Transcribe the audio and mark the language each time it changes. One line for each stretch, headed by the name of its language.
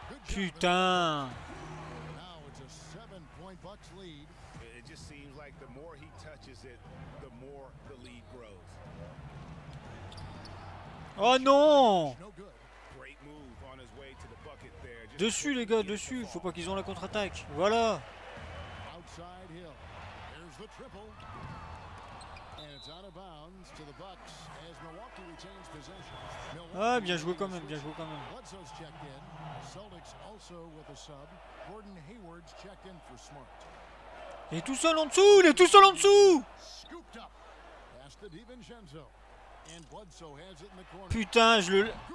English: Good job.
French: Putain.
English: Now it's a 7-point Bucks lead. It just seems like the more he touches it, the more the lead grows.
French: Oh non.
English: No good. Great move on his way to the bucket there.
French: Dessus les gars, dessus, faut pas qu'ils ont la contre-attaque. Voilà.
English: Outside Hill. There's the triple. And it's out of bounds to the Bucks as Milwaukee retains possession.
French: Ah, bien joué quand même, bien joué quand même.
English: Bledsoe's checked in. Celtics also with a sub. Gordon Hayward's checked in for Smart.
French: Il est tout seul en dessous, il est tout seul en dessous.
English: Scooped up. Pass to DiVincenzo. And Bledsoe has it in the corner.
French: Putain, je le...